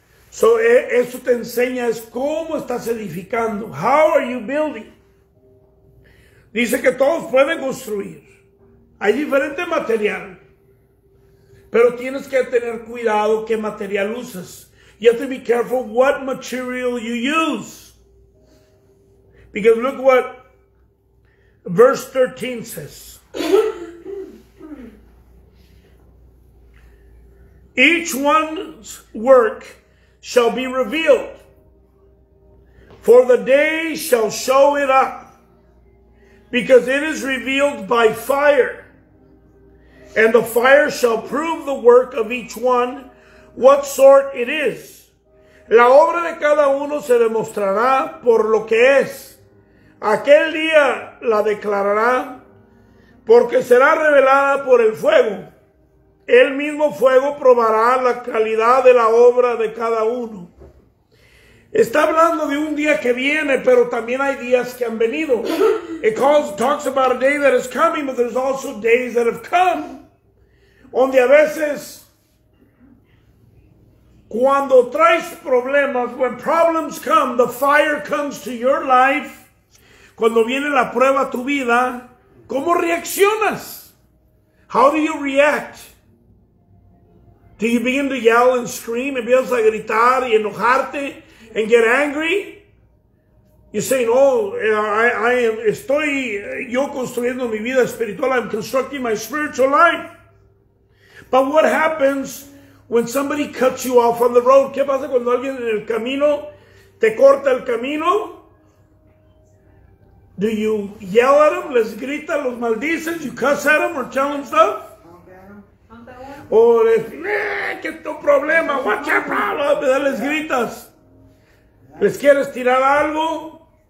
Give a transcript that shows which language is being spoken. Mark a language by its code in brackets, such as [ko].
[es] So eso te enseña es cómo estás edificando. [en] How are you building? [es] Dice que todos pueden construir. Hay diferente material. Pero tienes que tener cuidado qué material usas. [en] You have to be careful what material you use. Because look what verse 13 says. Each one's work shall be revealed, for the day shall show it up, because it is revealed by fire. And the fire shall prove the work of each one, what sort it is. [es] La obra de cada uno se demostrará por lo que es. Aquel día la declarará, porque será revelada por el fuego. El mismo fuego probará la calidad de la obra de cada uno. Está hablando de un día que viene, pero también hay días que han venido. [en] It talks about a day that is coming, but there's also days that have come. [es] Donde a veces, cuando traes problemas, [en] when problems come, the fire comes to your life, [es] cuando viene la prueba a tu vida, ¿cómo reaccionas? [en] How do you react? Do you begin to yell and scream? [es] ¿Empiezas a gritar y enojarte [en] and get angry? You're saying, oh, [es] yo construyendo mi vida espiritual, [en] I'm constructing my spiritual life. But what happens when somebody cuts you off on the road? [es] ¿Qué pasa cuando alguien en el camino te corta el camino? [en] Do you yell at them? [es] ¿Les grita, los maldices? [en] ¿You cuss at them or tell them stuff? [es] O les dice, ¿qué es tu problema? [en] ¿What's your problem? [es] ¿Les gritas? ¿Les quieres tirar algo?